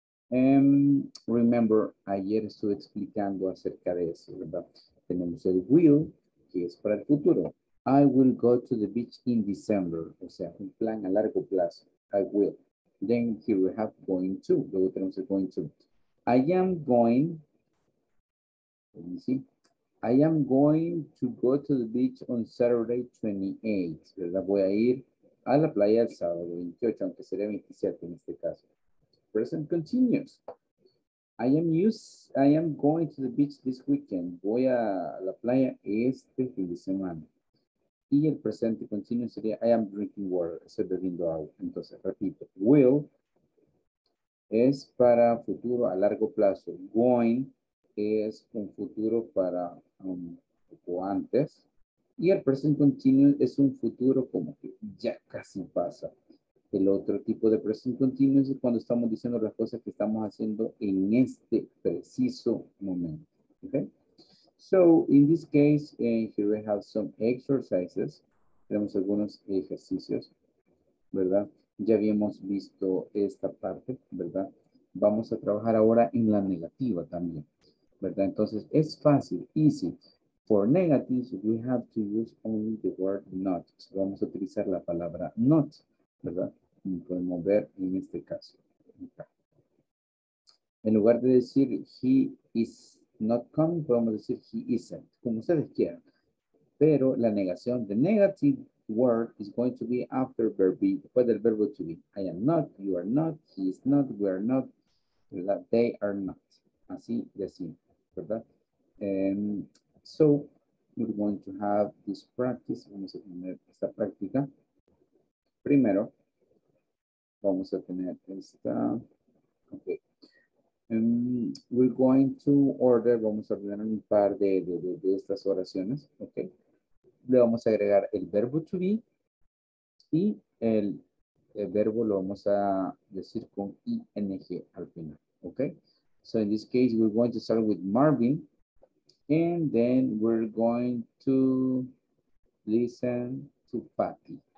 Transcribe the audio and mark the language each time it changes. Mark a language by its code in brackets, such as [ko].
[en] Remember, [es] ayer estuve explicando acerca de eso, ¿verdad? Tenemos el will, que es para el futuro. [en] I will go to the beach in December. [es] O sea, un plan a largo plazo. [en] I will. Then here we have going to. [es] Luego tenemos el going to. [en] I am going. Let me see. I am going to go to the beach on Saturday 28. [es] ¿Verdad? Voy a ir a la playa el sábado 28, aunque sería 27 en este caso. [en] Present continuous. I am going to the beach this weekend. [es] Voy a la playa este fin de semana. Y el presente continuo sería, [en] I am drinking water, [es] estoy bebiendo agua. Entonces, repito, will es para futuro a largo plazo. Going es un futuro para un poco antes. Y el present continuo es un futuro como que ya casi pasa. El otro tipo de present continuo es cuando estamos diciendo las cosas que estamos haciendo en este preciso momento. ¿Okay? [en] So, in this case, here we have some exercises. [es] Tenemos algunos ejercicios, ¿verdad? Ya habíamos visto esta parte, ¿verdad? Vamos a trabajar ahora en la negativa también, ¿verdad? Entonces, es fácil, easy. [en] For negatives, we have to use only the word not. [es] So vamos a utilizar la palabra not, ¿verdad? Y podemos ver en este caso. En lugar de decir, [en] he is not coming, [es] podemos decir he isn't, como ustedes quieran. Pero la negación, [en] the negative word is going to be after verb be, [es] después del verbo [en] to be. I am not, you are not, he is not, we are not, ¿verdad? They are not. [es] Así de simple, ¿verdad? [en] So, we're going to have this practice. [es] Vamos a tener esta práctica. Primero, vamos a tener esta. Okay. [en] We're going to order, [es] vamos a ordenar un par de estas oraciones, okay. Le vamos a agregar el verbo to be y el verbo lo vamos a decir con ing al final, okay. [en] So in this case, we're going to start with Marvin, and then we're going to listen to Patty.